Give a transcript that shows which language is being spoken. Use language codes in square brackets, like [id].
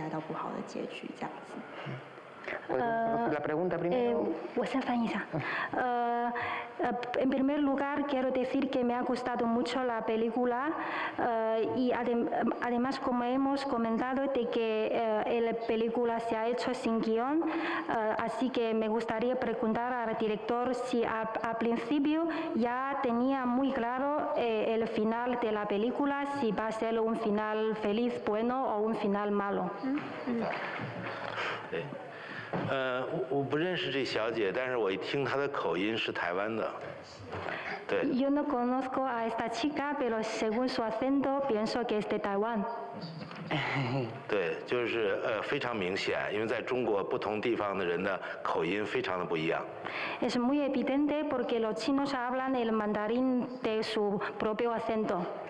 [zh] 你好，很开心能在这边看到这部影片，我觉得非常的棒。然后有问题想要分别问导演及两位演员。第一个问题是想请问导演，您刚刚说你在剧本的设定上是跟演员共同讨论之后会产生另外一种结果，那不知道您一开始有没有特定设立一种就是走向是把这个故事带到好的结局，或者是把故事带到不好的结局这样子。 [es] En primer lugar, quiero decir que me ha gustado mucho la película y además, como hemos comentado, de que la película se ha hecho sin guión, así que me gustaría preguntar al director si al principio ya tenía muy claro el final de la película, si va a ser un final feliz, bueno o un final malo. Sí. [zh] 我不认识这小姐，但是我一听她的口音是台湾的，对。 [es] Yo no conozco a esta chica, pero según su acento pienso que es de Taiwán. [zh] 对，就是非常明显，因为在中国不同地方的人的口音非常的不一样。 [es] Es muy evidente porque los chinos hablan el mandarín de su propio acento.